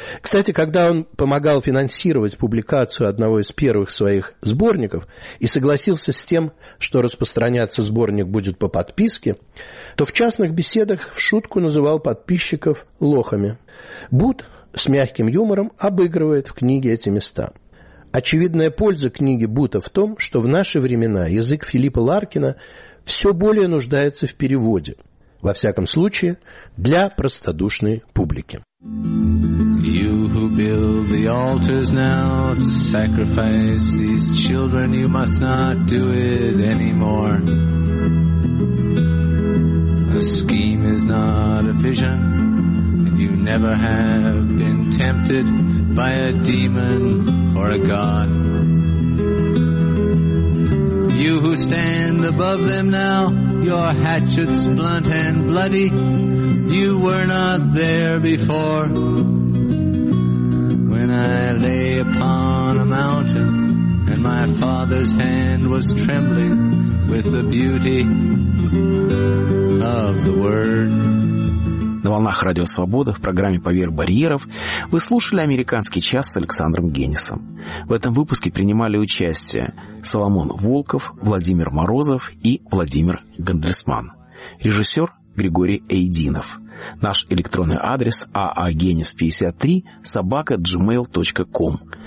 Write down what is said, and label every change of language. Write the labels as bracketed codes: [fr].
[ru] Кстати, когда он помогал финансировать публикацию одного из первых своих сборников и согласился с тем, что распространяться сборник будет по подписке, то в частных беседах в шутку называл подписчиков лохами. Бут с мягким юмором обыгрывает в книге эти места. Очевидная польза книги Бута в том, что в наши времена язык Филиппа Ларкина все более нуждается в переводе. Во всяком случае, для простодушной публики. [en] You who build the altars now to sacrifice these children, you must not do it anymore. A scheme is not a vision, and you never have been tempted by a demon or a god. You who stand above them now, your hatchets blunt and bloody, you were not there before. When I lay upon a mountain and my father's hand was trembling with the beauty of the word. [ru] На волнах Радио Свобода в программе «Поверх барьеров» вы слушали «Американский час» с Александром Генисом. В этом выпуске принимали участие Соломон Волков, Владимир Морозов и Владимир Гандельсман. Режиссер Григорий Эйдинов. Наш электронный адрес aagenis53@gmail.com.